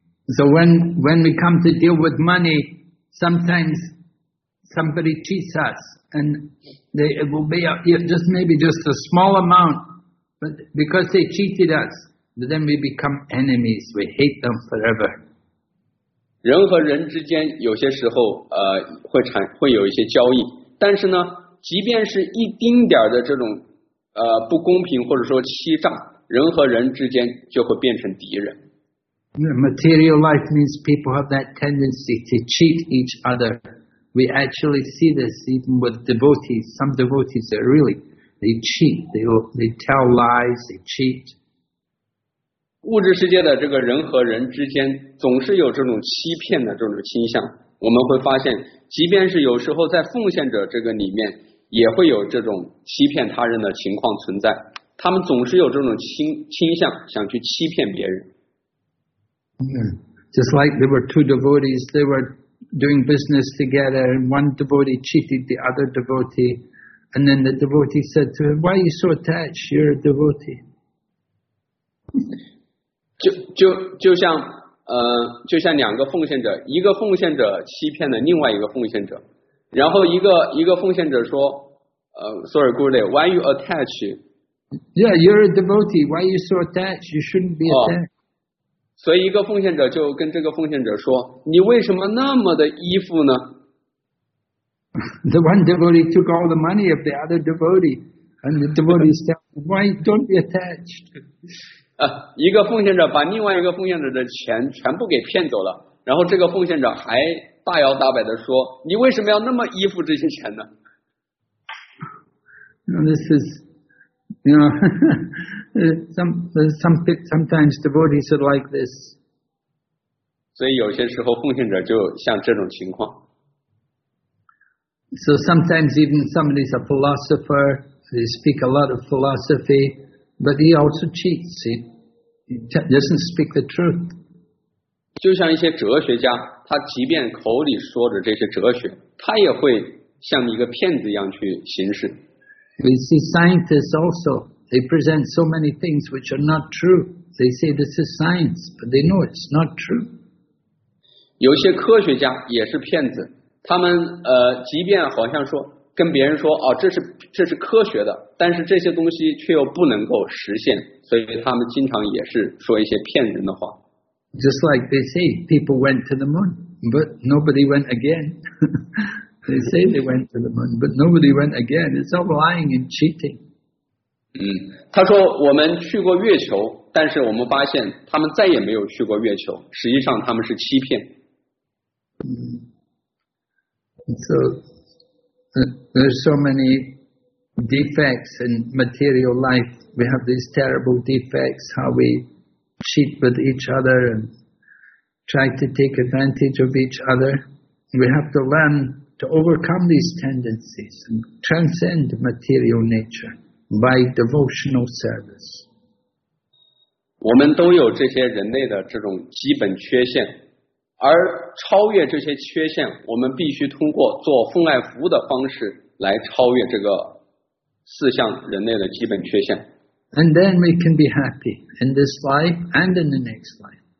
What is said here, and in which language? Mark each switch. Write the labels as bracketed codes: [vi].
[en] So when we come to deal with money, sometimes somebody cheats us, and it will be just a small amount, but because they cheated us,But then we become enemies. We hate them forever. [zh] 人和人之间有些时候会有一些交易，但是呢，即便是一丁点的这种不公平或者说欺诈，人和人之间就会变成敌人。 [en] Material life means people have that tendency to cheat each other. We actually see this even with devotees. Some devotees are really they cheat. They tell lies. They cheat. [zh] 物质世界的这个人和人之间总是有这种欺骗的这种倾向，我们会发现即便是有时候在奉献者这个里面也会有这种欺骗他人的情况存在，他们总是有这种倾向想去欺骗别人。 [en] Just like there were two devotees, they were doing business together, and one devotee cheated the other devotee, and then the devotee said to him, why are you so attached? You're a devotee. [zh] 就像就像两个奉献者，一个奉献者欺骗了另外一个奉献者，然后一个奉献者说 [en] sorry Guru, why are you attached? Yeah, you're a devotee, why are you so attached? You shouldn't be attached. [zh] 所以一个奉献者就跟这个奉献者说，你为什么那么的依附呢？ [en] The one devotee took all the money of the other devotee, and the devotee said, why don't be attached? [zh] 一个奉献者把另外一个奉献者的钱全部给骗走了，然后这个奉献者还大摇大摆地说，你为什么要那么依附这些钱呢？ [en] Now, this is, you know, sometimes devotees are like this. [zh] 所以有些时候奉献者就像这种情况。 [en] So sometimes even somebody is a philosopher, they speak a lot of philosophy,But he also cheats. He doesn't speak the truth. [zh] 就像一些哲学家，他即便口里说着这些哲学，他也会像一个骗子一样去行事。 [en] We see scientists also. They present so many things which are not true. They say this is science, but they know it's not true. [zh] 有些科学家也是骗子，他们即便好像说。跟别人说哦，这是科学的，但是这些东西却又不能够实现，所以他们经常也是说一些骗人的话。 [en] Just like they say people went to the moon, but nobody went again. They say they went to the moon, but nobody went again. It's all lying and cheating. [zh] 他说我们去过月球，但是我们发现他们再也没有去过月球，实际上他们是欺骗。 [en] So there's so many defects in material life. We have these terrible defects, how we cheat with each other and try to take advantage of each other. We have to learn to overcome these tendencies and transcend material nature by devotional service. [zh] 我们都有这些人类的这种基本缺陷，而超越这些缺陷，我们必须通过做奉爱服务的方式来超越这个四项人类的基本缺陷。 [en] And then we can be happy in this life and in the next life.